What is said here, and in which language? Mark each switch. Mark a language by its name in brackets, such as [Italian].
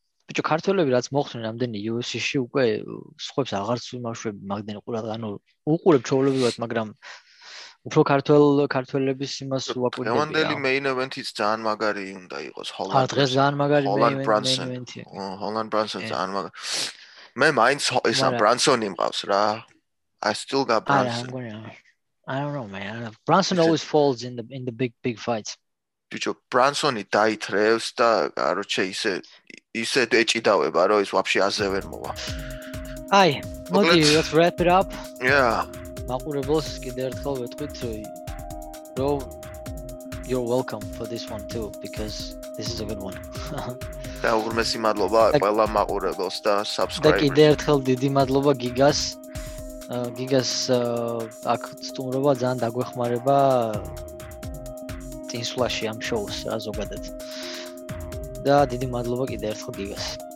[Georgian] ბიჭო, ქართველები რაც მოხდნენ ამდენი UFC-ში უკვე სხვებს აღარც უმარშვები მაგდენ ყურადღება, ანუ უყურებ ჩოვლებივად, მაგრამ უფრო ქართველების იმას უაკვირდები. ევანდელი main event-იც ძალიან მაგარი უნდა იყოს, ჰოლანდ. არ დღეს ძალიან მაგარი main event-ი. ჰოლანდ ბრანსონ ძალიან მაგარი. მე მაინც ეს ბრანსონი მყავს რა. [English] I still got Brunson. I don't know, man. Brunson always falls in the big fights. [Georgian] ბიჭო, ბრანსონი დაითრევს და როჩე ისე ისე ეჭიდავება რომ ის ვაფშე აზე ვერ მოვა. აი, მოდი, [English] let's wrap it up. Yeah. [Georgian] მაყურებელს კიდე ერთხელ ვეთქვით რომ [English] you're welcome for this one too because this is a good one. [Georgian] და უღრმესი მადლობა ყველა მაყურებელს და subscribers. და კიდე ერთხელ დიდი მადლობა გიგას. გიგას აქ სტუმრობა ძალიან დაგვეხმარება ინსულაში ამ შოუს ზოგადად. და დიდი მადლობა კიდე ერთხელ გიგას.